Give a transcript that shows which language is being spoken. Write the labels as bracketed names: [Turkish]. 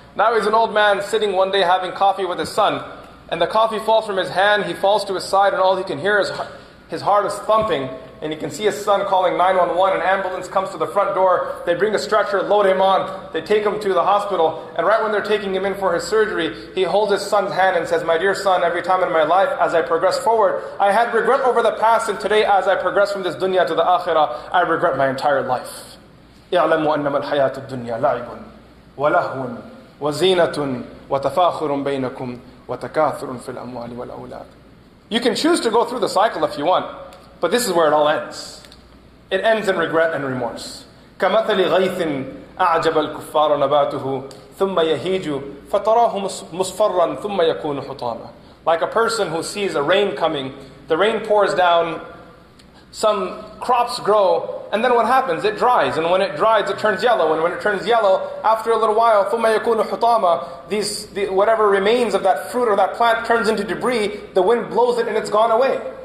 [English] Now he's an old man sitting one day having coffee with his son, and the coffee falls from his hand, he falls to his side, and all he can hear is his heart is thumping, and he can see his son calling 911, an ambulance comes to the front door, they bring a stretcher, load him on, they take him to the hospital, and right when they're taking him in for his surgery, he holds his son's hand and says, my dear son, every time in my life as I progress forward, I had regret over the past, and today as I progress from this dunya to the akhirah, I regret my entire life. [Arabic] اِعْلَمُوا أَنَّمَا الْحَيَاةُ الدُّنْيَا لَعِبٌ وَلَهُونَ وزينة وتفاخر بينكم وتكاثر في الأموال والأولاد. [English] You can choose to go through the cycle if you want, but this is where it all ends. It ends in regret and remorse. [Arabic] كمثل غيث أعجب الكفار نباته ثم يهيج فتراه مصفرا ثم يكون حطاما. [English] Like a person who sees a rain coming, the rain pours down, some crops grow, and then what happens? It dries, and when it dries, it turns yellow, and when it turns yellow, after a little while, [Arabic] ثُمَّ يَكُونُ حُطَامًا [English] whatever remains of that fruit or that plant turns into debris, the wind blows it and it's gone away.